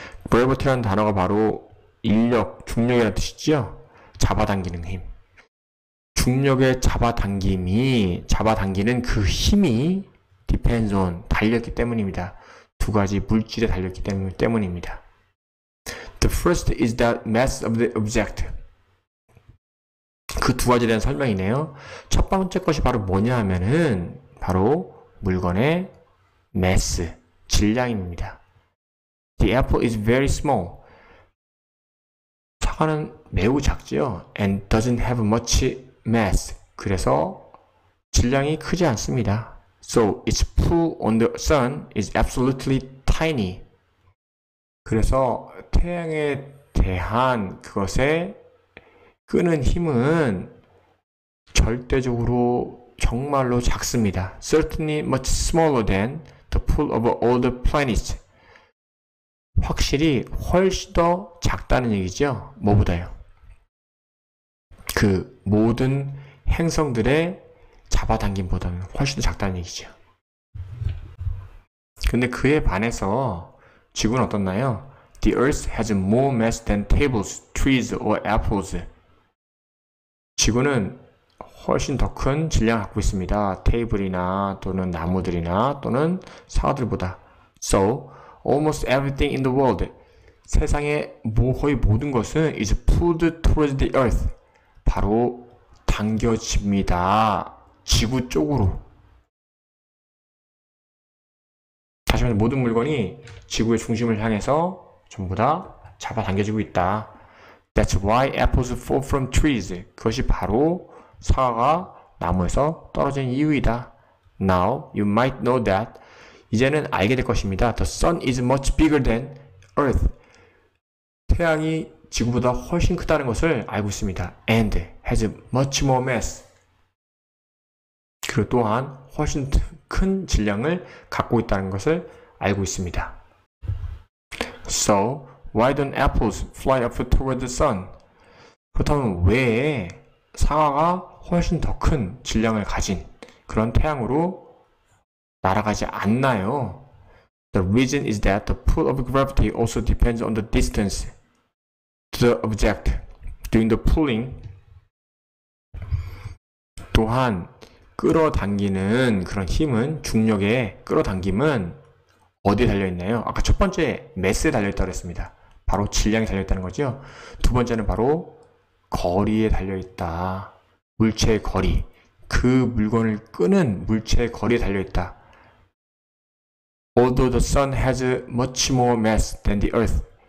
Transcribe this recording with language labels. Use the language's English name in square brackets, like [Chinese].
[Korean] Gravity라는 단어가 바로 인력, 중력이라는 뜻이죠? 잡아당기는 힘. 중력의 잡아당기는 그 힘이 [English] depends on, [Korean] 달렸기 때문입니다. 두 가지 물질에 달렸기 때문입니다. [English] The first is that mass of the object. [Korean] 그두 가지에 대한 설명이네요. 첫 번째 것이 바로 뭐냐 하면은, 바로 물건의 mass, 질량입니다. [English] The apple is very small. [Korean] 사과는 매우 작지요. [English] And doesn't have much mass. [Korean] 그래서 질량이 크지 않습니다. [English] So its pull on the sun is absolutely tiny. [Korean] 그래서 태양에 대한 그것의 끄는 힘은 절대적으로 정말로 작습니다. [English] Certainly much smaller than the pull of all the planets. [Korean] 확실히 훨씬 더 작다는 얘기죠. 뭐보다요? 그 모든 행성들의 잡아당김보다는 훨씬 더 작다는 얘기죠. 근데 그에 반해서 지구는 어떻나요? [English] The Earth has more mass than tables, trees, or apples. [Korean] 지구는 훨씬 더큰 질량을 갖고 있습니다. 테이블이나 또는 나무들이나 또는 사과들보다. [English] So, almost everything in the world. [Korean] 세상의 거의 모든 것은 [English] is pulled towards the earth. [Korean] 바로 당겨집니다. 지구 쪽으로. 다시 말해서 모든 물건이 지구의 중심을 향해서 전부 다 잡아당겨지고 있다. [English] That's why apples fall from trees. [Korean] 그것이 바로 사과가 나무에서 떨어진 이유이다. [English] Now you might know that. [Korean] 이제는 알게 될 것입니다. [English] The sun is much bigger than earth. [Korean] 태양이 지구보다 훨씬 크다는 것을 알고 있습니다. [English] And has much more mass. [Korean] 그리고 또한 훨씬 큰 질량을 갖고 있다는 것을 알고 있습니다. [English] So, why don't apples fly up toward the sun? [Korean] 그렇다면 왜 사과가 훨씬 더큰 질량을 가진 그런 태양으로 날아가지 않나요? [English] The reason is that the pull of gravity also depends on the distance to the object during the pulling. [Korean] 또한 끌어당기는 그런 힘은 중력의 끌어당김은 어디에 달려 있나요? 아까 첫 번째 매스에 달려 있다고 했습니다. 바로 질량에 달려 있다는 거죠. 두 번째는 바로 거리에 달려 있다. 물체의 거리. 그 물건을 끄는 물체의 거리에 달려 있다. [English] Although the sun has much more mass than the earth.